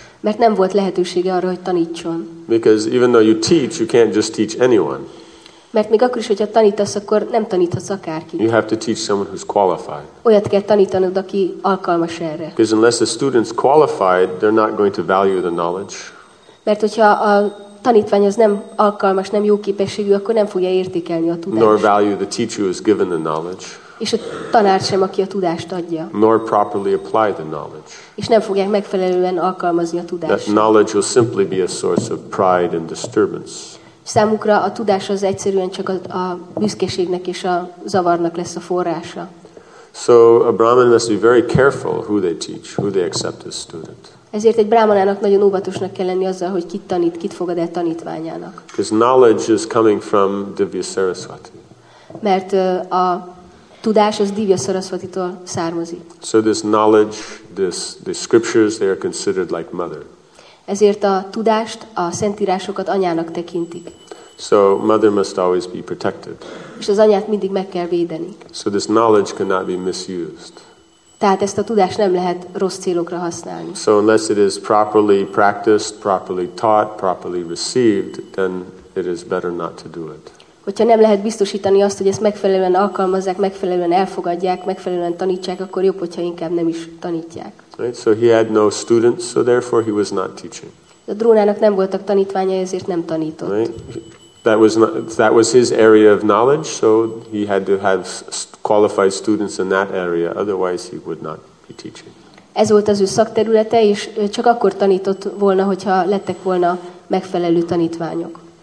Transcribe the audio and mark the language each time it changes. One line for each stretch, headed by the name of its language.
Hungarian: Mert nem volt lehetősége arra, hogy tanítson.
English: Because even though you teach, you can't just teach anyone.
Hungarian: Mert még akkor is, hogyha tanítasz, akkor nem taníthatsz akárkit.
English: You have to teach someone who's qualified.
Hungarian: Olyat kell tanítanod, aki alkalmas erre.
English: Because unless the student's qualified, they're not going to value the knowledge.
Hungarian: Mert hogyha a tanítvány az nem alkalmas, nem jó képességű, akkor nem fogja értékelni a tudást.
English: Nor value the teacher who has given the knowledge.
Hungarian: és a tanár sem, aki a tudást adja.
English: Nor properly apply the knowledge.
Hungarian: És nem fogják megfelelően alkalmazni a tudást.
English: That knowledge will simply be a source of pride and disturbance.
Hungarian: Számukra a tudás az egyszerűen csak a büszkeségnek és a zavarnak lesz a forrása.
English: So a Brahmin must be very careful who they teach, who they accept as student.
Hungarian: Ezért egy brámanának nagyon óvatosnak kell lenni azzal, hogy kit tanít, kit fogad el tanítványának.
English: Because knowledge is coming from Divya Saraswati.
Hungarian: Mert a tudás az Divya Saraswatitól származik.
English: So this knowledge, the scriptures, they are considered like mother.
Hungarian: Ezért a tudást, a szentírásokat anyának tekintik.
English: So mother must always be protected.
Hungarian: És az anyát mindig meg kell védeni.
English: So this knowledge cannot be misused.
Hungarian: Tehát ezt a tudást nem lehet rossz célokra használni.
English: So unless it is properly practiced, properly taught, properly received, then it is better not to do it.
Hungarian: Hogyha nem lehet biztosítani azt, hogy ezt megfelelően alkalmazzák, megfelelően elfogadják, megfelelően tanítsák, akkor jobb, hogyha inkább nem is tanítják.
English: Right, so he had no students, so therefore he was not teaching.
Hungarian: A Drónának nem voltak tanítványa, ezért nem tanított.
English: Right? That was his area of knowledge, so he had to have qualified students in that area, otherwise he would not be teaching.
Hungarian: Ez volt az ő szakterülete, és csak akkor tanított volna, hogyha lettek volna megfelelő tanítványok.